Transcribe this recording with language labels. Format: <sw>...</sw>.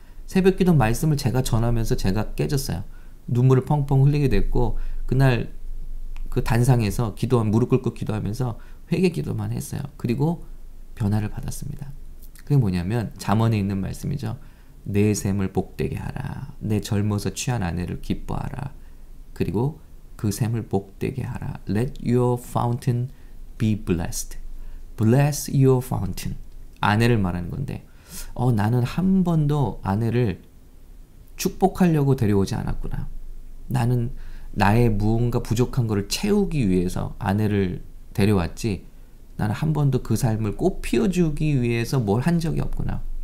<ko>새벽 기도 말씀을 제가 전하면서 제가 깨졌어요. 눈물을 펑펑 흘리게 됐고 그날 그 단상에서 기도한 무릎 꿇고 기도하면서 회개 기도만 했어요. 그리고 변화를 받았습니다. 그게 뭐냐면 잠언에 있는 말씀이죠. 내 샘을 복되게 하라. 내 젊어서 취한 아내를 기뻐하라. 그리고 그 샘을 복되게 하라.</ko> <en>Let your fountain be blessed. Bless your fountain.</en> <ko>아내를 말하는 건데 나는 한 번도 아내를 축복하려고 데려오지 않았구나. 나는 나의 무언가 부족한 것을 채우기 위해서 아내를 데려왔지 나는 한 번도 그 삶을 꽃피워주기 위해서 뭘 한 적이 없구나.</ko>